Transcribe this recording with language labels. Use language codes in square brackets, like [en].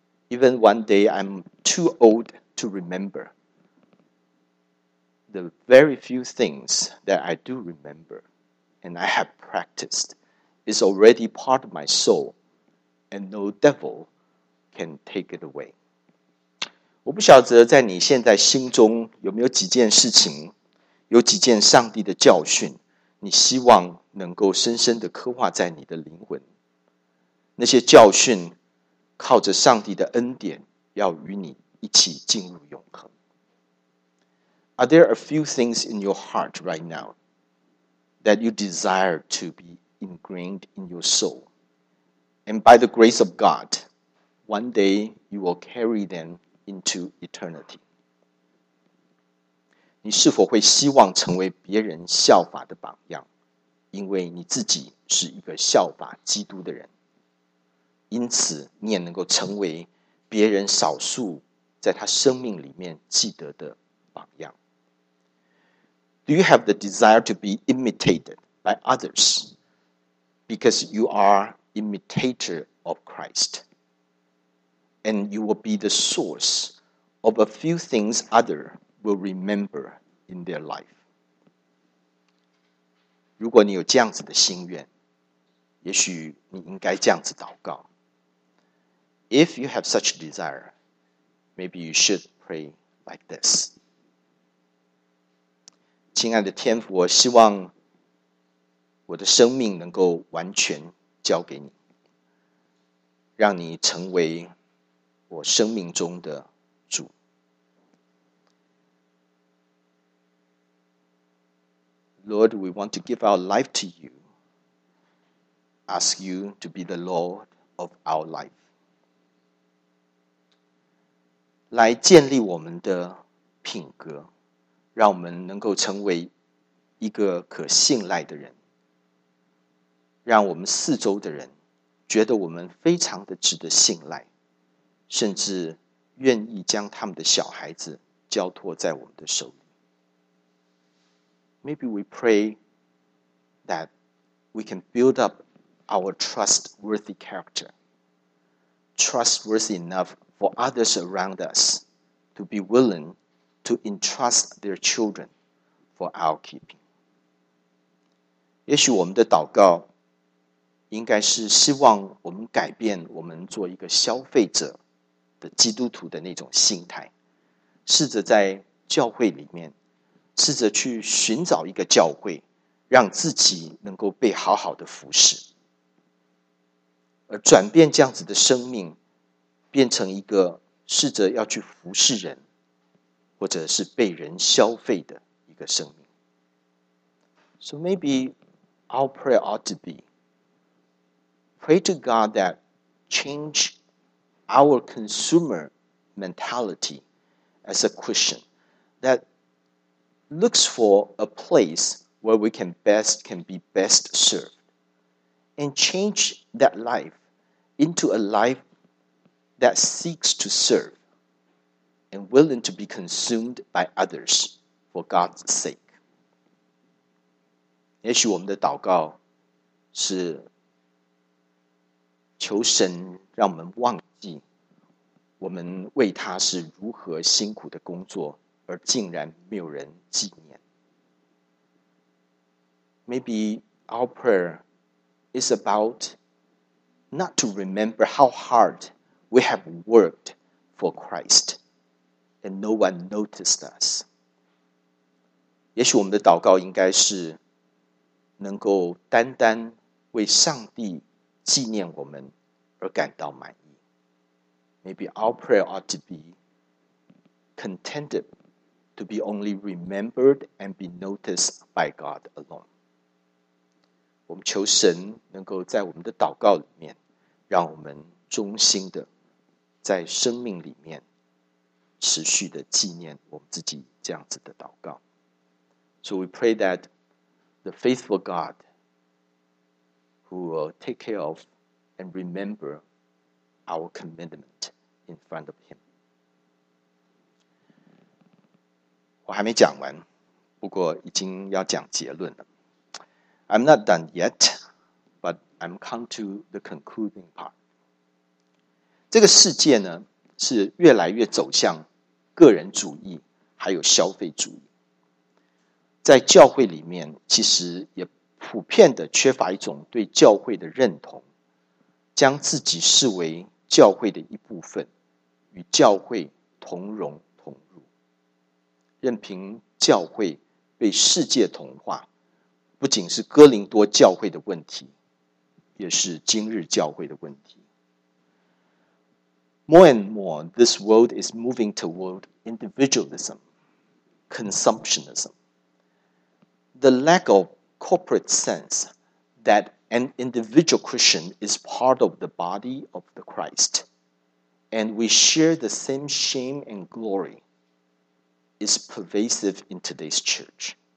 [en] Even one day I'm too old to remember. The very few things that I do remember and I have practiced is already part of my soul and no devil. Can take it away. [zh] 我不晓得在你现在心中有没有几件事情，有几件上帝的教训，你希望能够深深的刻画在你的灵魂。那些教训靠着上帝的恩典要与你一起进入永恒。 [en] Are there a few things in your heart right now that you desire to be ingrained in your soul? And by the grace of GodOne day, you will carry them into eternity. [zh] 你是否会希望成为别人效法的榜样？因为你自己是一个效法基督的人。因此，你也能够成为别人少数在他生命里面记得的榜样。 [en] Do you have the desire to be imitated by others? Because you are imitator of Christ. And you will be the source of a few things others will remember in their life. [zh] 如果你有这样子的心愿，也许你应该这样子祷告。 [en] If you have such desire, maybe you should pray like this. [zh] 亲爱的天父，我希望我的生命能够完全交给你，让你成为我生命中的主。 [en] Lord, we want to give our life to you. Ask you to be the Lord of our life. [zh] 来建立我们的品格，让我们能够成为一个可信赖的人，让我们四周的人觉得我们非常的值得信赖，甚至愿意将他们的小孩子交托在我们的手里。 [en] Maybe we pray that we can build up our trustworthy character, trustworthy enough for others around us to be willing to entrust their children for our keeping. [zh] 也许我们的祷告应该是希望我们改变我们做一个消费者的基督徒的那种心态，试着在教会里面试着去寻找一个教会，让自己能够被好好的服侍，而转变这样子的生命变成一个试着要去服侍人或者是被人消费的一个生命。 [en] So maybe our prayer ought to be, pray to God that change our consumer mentality as a Christian that looks for a place where we can be best served, and change that life into a life that seeks to serve and willing to be consumed by others for God's sake. [zh] 也许我们的祷告是求神让我们忘记我们为他是如何辛苦的工作而竟然没有人纪念。 [en] Maybe our prayer is about not to remember how hard we have worked for Christ and no one noticed us. [zh] 也许我们的祷告应该是能够单单为上帝纪念我们而感到满意。 [en] Maybe our prayer ought to be contented to be only remembered and be noticed by God alone. [zh] 我们求神能够在我们的祷告里面让我们忠心的在生命里面持续的纪念我们自己这样子的祷告。 [en] So we pray that the faithful God who will take care of and remember our commitment in front of him. [zh] 我还没讲完，不过已经要讲结论了。 [en] I'm not done yet, but I'm come to the concluding part. [zh] 这个世界呢，是越来越走向个人主义还有消费主义，在教会里面其实也普遍的缺乏一种对教会的认同，将自己视为教会的一部分，与教会同荣同辱，任凭教会被世界同化，不仅是哥林多教会的问题，也是今日教会的问题。 [en] More and more, this world is moving toward individualism, consumptionism. The lack of corporate sense that an individual Christian is part of the body of the Christ and we share the same shame and glory is pervasive in today's church.